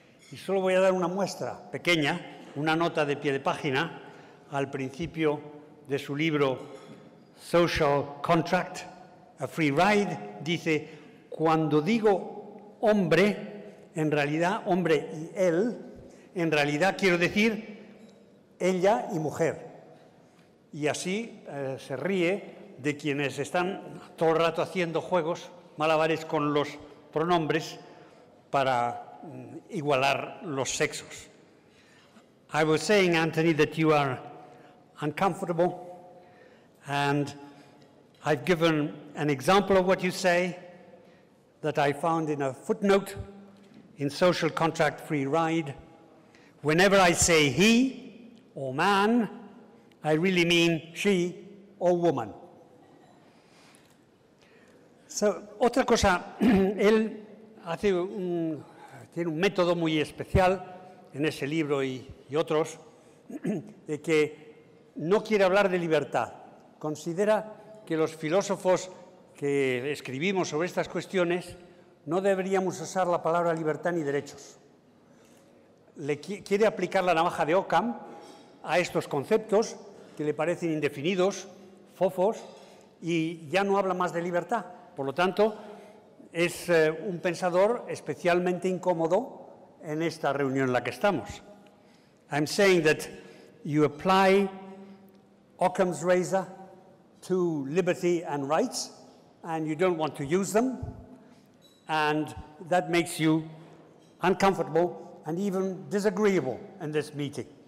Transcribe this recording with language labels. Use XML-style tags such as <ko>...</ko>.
<es>Y solo voy a dar una muestra pequeña, una nota de pie de página, al principio de su libro Social Contract, A Free Ride, dice: cuando digo hombre, en realidad hombre y él, en realidad quiero decir ella y mujer. Y así se ríe de quienes están todo el rato haciendo juegos, malabares con los pronombres para igualar los sexos.</es> <en>I was saying, Anthony, that you are uncomfortable, and I've given an example of what you say that I found in a footnote in Social Contract Free Ride. Whenever I say he or man, I really mean she or woman.</en> <es>So, otra cosa, él hace tiene un método muy especial en ese libro y otros, de que no quiere hablar de libertad. Considera que los filósofos que escribimos sobre estas cuestiones no deberíamos usar la palabra libertad ni derechos. Le quiere aplicar la navaja de Occam a estos conceptos que le parecen indefinidos, fofos, y ya no habla más de libertad. Por lo tanto, es un pensador especialmente incómodo en esta reunión en la que estamos.</es> <en>I'm saying that you apply Occam's razor to liberty and rights, and you don't want to use them, and that makes you uncomfortable and even disagreeable in this meeting.</en>